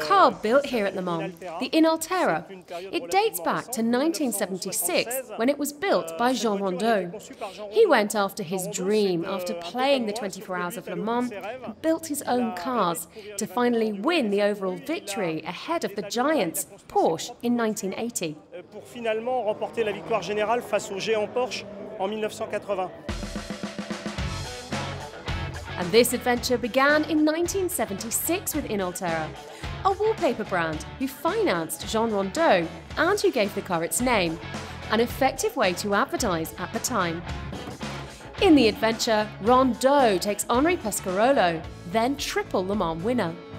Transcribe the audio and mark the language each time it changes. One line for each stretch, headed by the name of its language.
English: car built here at Le Mans, the Inalterra. It dates back to 1976 when it was built by Jean Rondeau. He went after his dream after playing the 24 Hours of Le Mans, built his own cars to finally win the overall victory ahead of the giants, Porsche, in 1980.
French: Pour finalement remporter la victoire générale face au géant Porsche en 1980.
English: And this adventure began in 1976 with Inalterra, a wallpaper brand who financed Jean Rondeau and who gave the car its name, an effective way to advertise at the time. In the adventure, Rondeau takes Henri Pescarolo, then triple Le Mans winner.